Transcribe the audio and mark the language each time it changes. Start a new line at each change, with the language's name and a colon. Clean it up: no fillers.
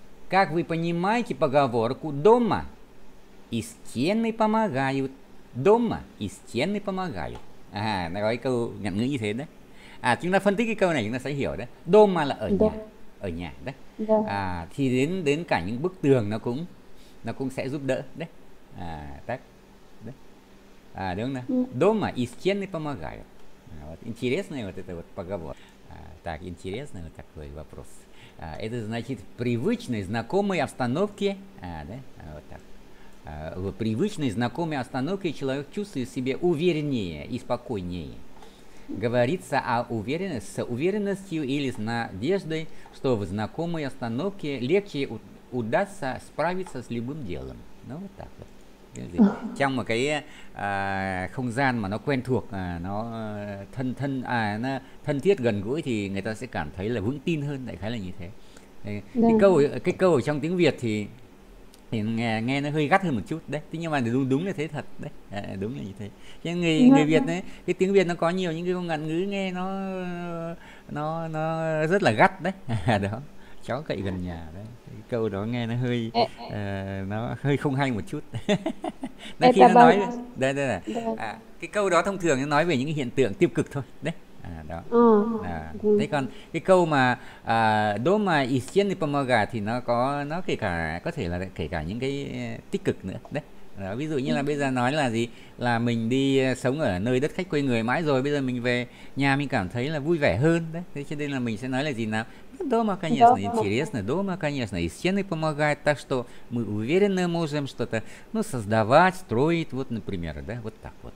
Russian: Как вы понимаете поговорку дома и стены помогают? Дома и стены помогают.
Vietnamese: Ага, nói câu ngạn ngữ như thế đấy. À, chúng ta phân tích cái câu này chúng ta sẽ hiểu đấy. Дома là ở nhà. Ở nhà đấy. À, thì đến đến cả những bức tường nó cũng sẽ giúp đỡ đấy.
Russian: À, так.
Vietnamese: Đấy. À, đúng rồi.
Russian: Дома и стены помогают. Вот интересная вот эта вот поговорка. Так, интересный вот такой вопрос. Это значит в привычной, знакомой обстановке, да, вот так. В привычной, знакомой обстановке человек чувствует себя увереннее и спокойнее. Говорится о уверенности, с уверенностью или с надеждой, что в знакомой обстановке легче удастся справиться с любым делом. Ну, вот так вот.
Vietnamese: Trong một cái không gian mà nó quen thuộc, nó thân thân à nó thân thiết gần gũi thì người ta sẽ cảm thấy là vững tin hơn, đại khái là như thế. Thì cái câu ở trong tiếng Việt thì nghe nó hơi gắt hơn một chút đấy, nhưng mà đúng đúng là thế thật đấy, đúng là như thế. Nhưng người người Việt đấy, cái tiếng Việt nó có nhiều những cái ngôn ngữ nghe nó rất là gắt đấy. Đó, chó cậy gần nhà đấy. Câu đó nghe nó hơi nó hơi không hay một chút. Đấy, khi nó nói đây đây là cái câu đó thông thường nó nói về những cái hiện tượng tiêu cực thôi đấy. Đó. Đấy, còn cái câu mà
Russian: doma isien pomaga
Vietnamese: thì nó có thể là kể cả những cái tích cực nữa đấy. Đó, ví dụ như là bây giờ nói là gì, là mình đi sống ở nơi đất khách quê người mãi rồi, bây giờ mình về nhà mình cảm thấy là vui vẻ hơn đấy. Thế cho nên là mình sẽ nói là gì nào?
Russian: Дома, конечно, интересно. Дома, конечно, и стены помогают, так что мы уверенно можем что-то, ну, создавать, строить, вот, например, да, вот так вот.